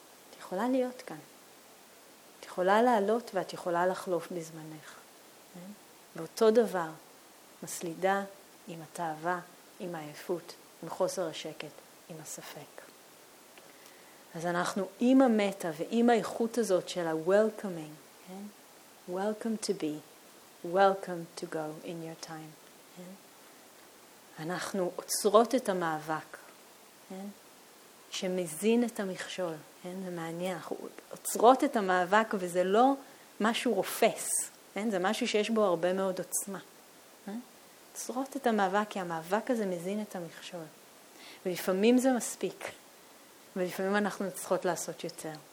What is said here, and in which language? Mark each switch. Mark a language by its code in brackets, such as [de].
[he] את יכולה להיות כאן. את יכולה לעלות ואת יכולה לחלוף בזמנך. באותו דבר, מסלידה עם התאווה, עם העייפות, עם חוסר השקט, עם הספק. אז אנחנו עם המטה ועם האיכות הזאת של ה-welcoming. [en] Welcome to be, welcome to go in your time. [he] אנחנו עוצרות את המאבק. שמזין את המכשול, זה מעניין, אנחנו עוצרות את המאבק וזה לא משהו רופס, זה משהו שיש בו הרבה מאוד עוצמה. עוצרות את המאבק, כי המאבק הזה מזין את המכשול. ולפעמים זה מספיק, ולפעמים אנחנו צריכות לעשות יותר.